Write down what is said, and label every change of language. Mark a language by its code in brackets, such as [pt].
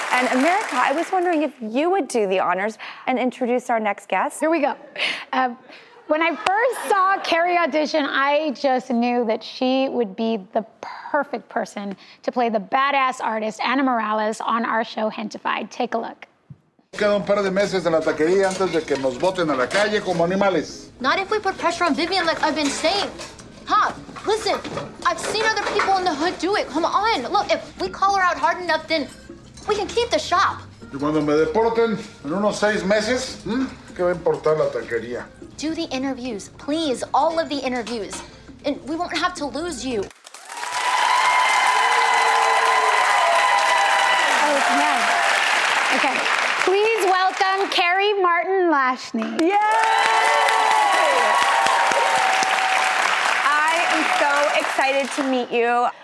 [en] And America, I was wondering if you would do the honors and introduce our next guest. Here we go. When I first saw Carrie audition, I just knew that she would be the perfect person to play the badass artist Ana Morales on our show, Hentified. Take a look. [es] Quedan un par de meses en la taquería antes de que nos boten a la calle como animales. [en] Not if we put pressure on Vivian like I've been saying. Pop, listen, I've seen other people in the hood do it. Come on, look, if we call her out hard enough, then we can keep the shop. [es] Y cuando me deporten en unos seis meses, ¿qué va a importar la taquería? [en] Do the interviews, please, all of the interviews. And we won't have to lose you. Oh, yeah. Okay. Please welcome Carrie Martin Lashney. Yay! I am so excited to meet you.